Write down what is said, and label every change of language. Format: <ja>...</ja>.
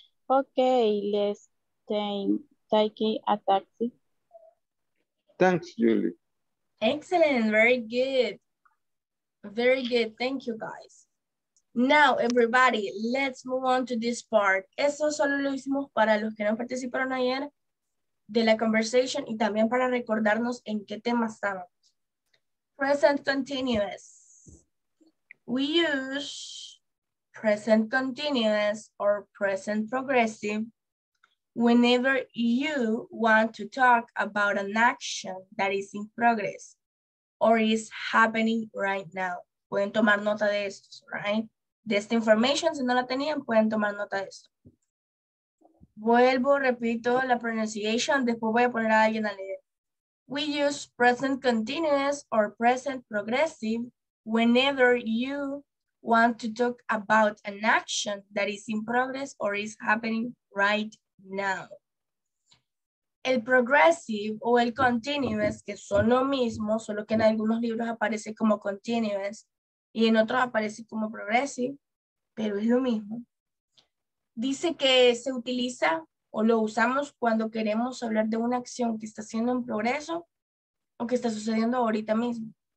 <en>Okay, let's take a taxi. Thanks, Julie. Excellent, very good. Very good, thank you guys. Now everybody, let's move on to this part.</en> <es>Eso solo lo hicimos para los que no participaron ayer de la conversation y también para recordarnos en qué tema estábamos.</es> <en>Present continuous. We use present continuous or present progressive whenever you want to talk about an action that is in progress or is happening right now.</en> <es>Pueden tomar nota de esto,</es> <en>right?</en> <es>De esta información, si no la tenían, pueden tomar nota de esto. Vuelvo, repito la pronunciation, después voy a poner a alguien a leer.</es> <en>We use present continuous or present progressive whenever you want to talk about an action that is in progress or is happening right now.</en> <es>Now, el progressive o el continuous, que son lo mismo, solo que en algunos libros aparece como continuous y en otros aparece como progressive, pero es lo mismo. Dice que se utiliza o lo usamos cuando queremos hablar de una acción que está siendo en progreso o que está sucediendo ahorita mismo.</es>